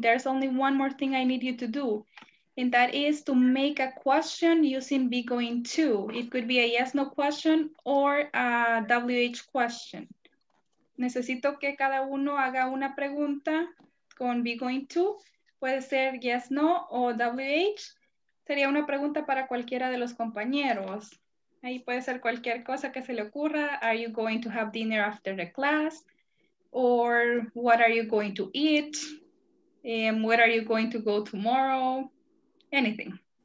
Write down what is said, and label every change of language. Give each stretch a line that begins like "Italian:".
English: There's only one more thing I need you to do. And that is to make a question using be going to. It could be a yes, no question or a WH question.
Spanish: Necesito que cada uno haga una pregunta con be going to. Puede ser yes, no o WH. Sería una pregunta para cualquiera de los compañeros. Ahí puede ser cualquier cosa que se le ocurra.
English: Are you going to have dinner after the class? Or what are you going to eat? Where are you going to go tomorrow? Anything.